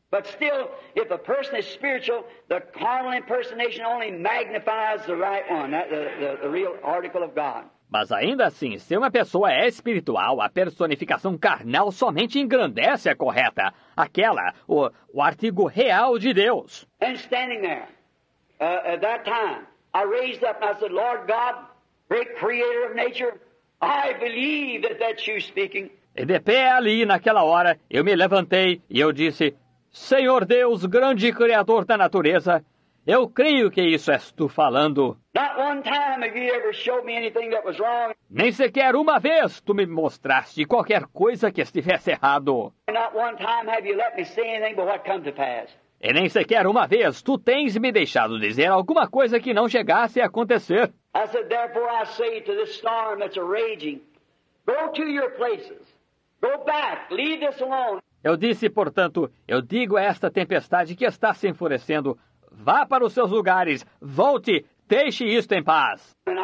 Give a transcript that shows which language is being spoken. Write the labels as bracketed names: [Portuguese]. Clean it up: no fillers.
[English] But still, if a person is spiritual, the carnal impersonation only magnifies the right one, the real article of God. [Portuguese] Mas ainda assim, se uma pessoa é espiritual, a personificação carnal somente engrandece a correta, aquela, o artigo real de Deus. [English] And standing there, at that time, I raised up and I said, Lord God, great creator of nature, I believe that that's you speaking. [Portuguese] E de pé ali, naquela hora, eu me levantei e eu disse, Senhor Deus, grande Criador da natureza, eu creio que isso és Tu falando. [English] Not one time have you ever showed me anything that was wrong. [Portuguese] Nem sequer uma vez Tu me mostraste qualquer coisa que estivesse errado. [English] Not one time have you let me see anything but what come to pass. [Portuguese] E nem sequer uma vez Tu tens me deixado dizer alguma coisa que não chegasse a acontecer. [English] I said, therefore I say to this storm that's raging, go to your places, go back, leave this alone. [Portuguese] Eu disse, portanto, eu digo a esta tempestade que está se enfurecendo, vá para os seus lugares, volte, deixe isto em paz.